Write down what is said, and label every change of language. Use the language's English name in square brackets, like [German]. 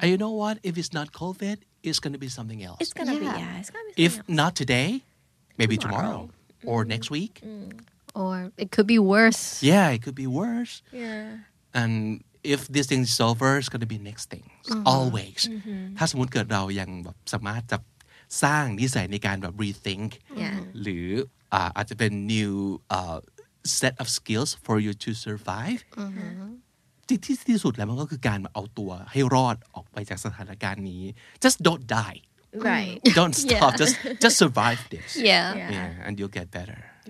[English] And you know what? If it's not COVID, it's going to be something else. It's going to be, it's going to be something else. Not today, maybe tomorrow. Or next week. Or it could be worse. Yeah, it could be worse. Yeah. And if this thing is over, it's going to be next thing. Always. [Thai] ถ้าสมมุติเกิดเรายังแบบสามารถจะสร้างนิสัยในการแบบ rethink หรืออาจจะเป็น [English] new set of skills for you to survive. [Thai] ที่สุดแล้วมันก็คือการเอาตัวให้รอดออกไปจากสถานการณ์นี้ [English] just don't die right don't stop just survive this and you'll get better